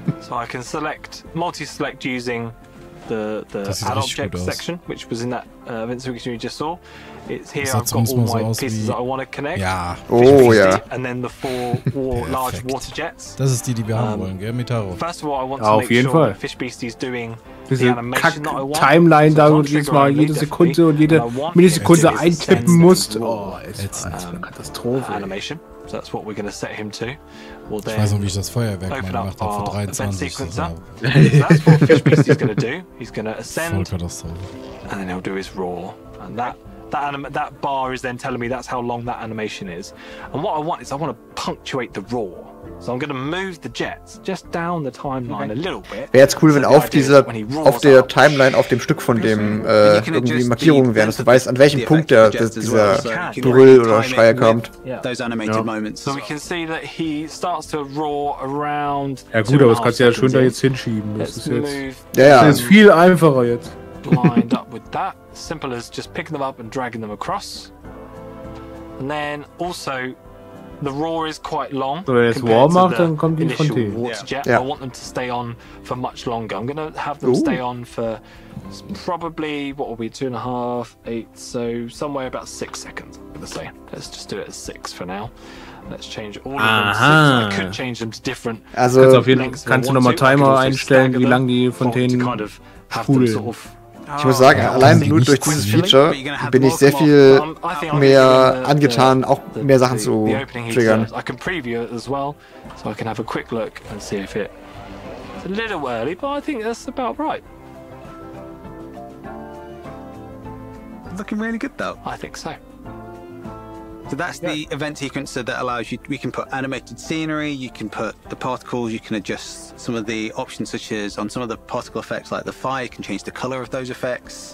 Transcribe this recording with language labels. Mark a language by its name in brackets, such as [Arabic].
[English] So I can select, multi-select using the add object section, which was in that event sequence you just saw. It's here, I've got all my pieces that I want to connect. [German] Ja. Oh ja. [English] And then the four large water jets. [German] Das ist die wir haben wollen, gell, Mitaro? [English] First of all, I want to make sure the fish beastie is doing [German] diese Kack-Timeline da, wo du jedes Mal jede Sekunde und jede Millisekunde eintippen musst. Oh, ist eine Katastrophe. Ich weiß noch, wie ich das Feuerwerk mal gemacht habe vor 23 Jahren. Voll Katastrophe. Und dann wird er sein Roar. Und [English] that bar is then telling me that's how long that animation is. And what I want is I want to punctuate the roar. So I'm going to move the jets just down the timeline a little bit. [German] Wäre jetzt cool, wenn auf dieser, auf der Timeline, auf dem Stück von dem, irgendwie Markierungen wären, dass du weißt, an welchem Punkt der, dieser Brüll oder Schreier kommt. [English] So we can see that he starts to roar around. [German] Ja gut, aber das kannst du ja schön da jetzt hinschieben. Das ist jetzt, das ist viel einfacher jetzt. [English] Blind up with that. Simple as just picking them up and dragging them across. And then also, the roar is quite long. I want them to stay on for much longer. I'm gonna have them stay on for probably what will be 2.5, 8, so somewhere about 6 seconds, I'm gonna say. Let's just do it at 6 for now. Let's change all of them to 6. I could change them to different. [German] Also kannst du nochmal Timer einstellen, wie lang die Fontänen [English] kind of [German] sprudeln. [English] Sort of. [German] Ich muss sagen, allein nur durch dieses Feature bin ich sehr viel mehr angetan, auch mehr Sachen zu triggern. [English] I can preview it as well, so I can have a quick look and see if it's a little early, but I think that's about right. Looking really good though. I think so. So that's the event sequencer that allows you, we can put animated scenery, you can put the particles, you can adjust some of the options such as on some of the particle effects like the fire, you can change the color of those effects.